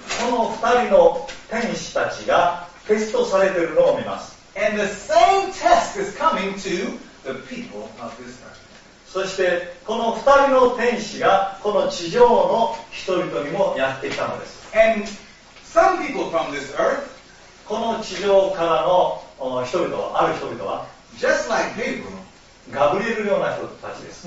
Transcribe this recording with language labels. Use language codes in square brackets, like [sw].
[ja] この二人の天使たちがテストされているのを見ます。 [en] And the same test is coming to the people of this earth. [ja] そしてこの二人の天使がこの地上の人々にもやってきたのです。 [en] And some people from this earth, [ja] この地上からの人々は、ある人々は、 [en] just like Gabriel, [ja] ガブリエルのような人たちです。